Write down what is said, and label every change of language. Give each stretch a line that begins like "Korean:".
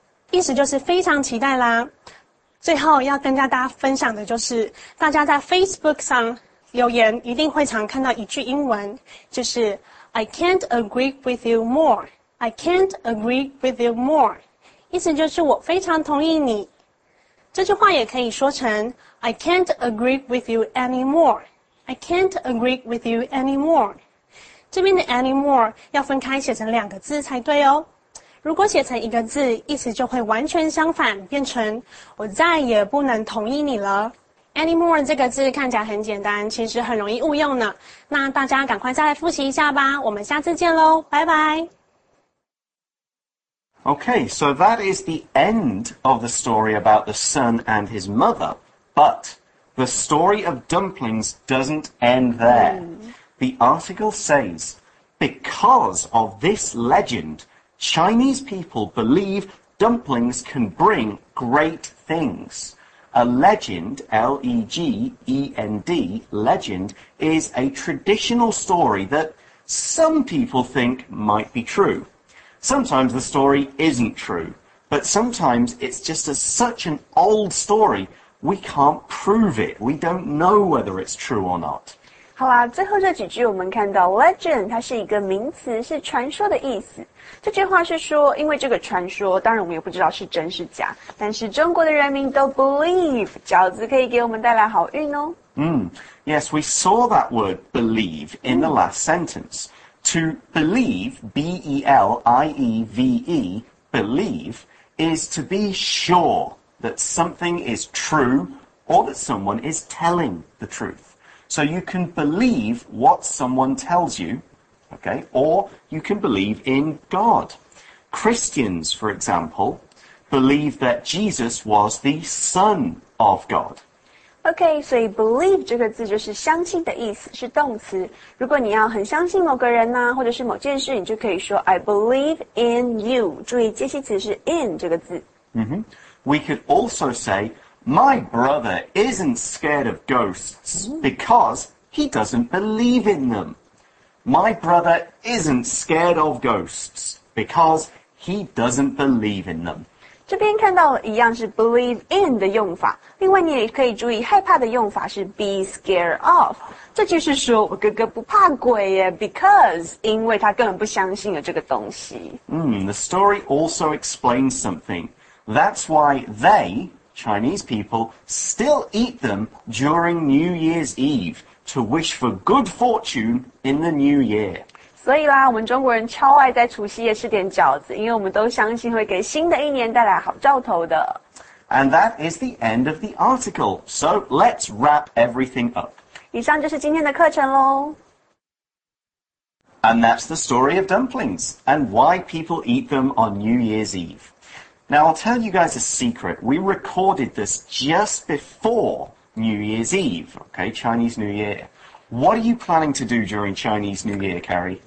Chinese: 意思就是非常期待啦最后要跟大家分享的就是大家在 Facebook 上留言一定会常看到一句英文就是
English: I can't agree with you more I can't agree with you more 意思就是我非常同意你这句话也可以说成 I can't agree with you anymore
Chinese: I can't agree with you anymore 这边的 anymore 要分开写成两个字才对哦如果写成一个字，意思就会完全相反，变成我再也不能同意你了。 Anymore 这个字看起来很简单，其实很容易误用呢。那大家赶快再来复习一下吧，我们下次见咯，拜拜。
English: Okay, so that is the end of the story about the son and his mother, but the story of dumplings doesn't end there. The article says, because of this legend, Chinese people believe dumplings can bring great things. A legend, L-E-G-E-N-D, legend, is a traditional story that some people think might be true. Sometimes the story isn't true, but sometimes it's just such an old story, we can't prove it. We don't know whether it's true or not.
Chinese: 好啦，最后这几句我们看到 legend 它是一个名词，是传说的意思。这句话是说，因为这个传说，当然我们也不知道是真是假，但是中国的人民都 believe 饺子可以给我们带来好运哦。
English: Yes, we saw that word believe in the last sentence. To believe, B-E-L-I-E-V-E, believe, is to be sure that something is true or that someone is telling the truth. So you can believe what someone tells you, okay, or you can believe in God. Christians, for example, believe that Jesus was the Son of God.
Chinese: OK, 所以 believe 这个字就是相信的意思，是动词。如果你要很相信某个人呢、啊，或者是某件事，你就可以说
English: I believe in you.
Chinese: 注意介系词是 in 这个字。
English: We could also say, my brother isn't scared of ghosts because he doesn't believe in them. My brother isn't scared of ghosts because he doesn't believe in them.
Chinese: 这边看到一样是 believe in 的用法，另外你也可以注意害怕的用法是 be scared of， 这就是说我哥哥不怕鬼耶 ，because 因为他根本不相信有这个东西。
English: The story also explains something. That's why they Chinese people still eat them during New Year's Eve to wish for good fortune in the new year.
Chinese: 所以啦，我们中国人超爱在除夕夜吃点饺子，因为我们都相信会给新的一年带来好兆头的。
English: And that is the end of the article. So let's wrap everything up.
Chinese: 以上就是今天的课程喽。
English: And that's the story of dumplings and why people eat them on New Year's Eve. Now I'll tell you guys a secret. We recorded this just before New Year's Eve. Okay, Chinese New Year. What are you planning to do during Chinese New Year, Carrie?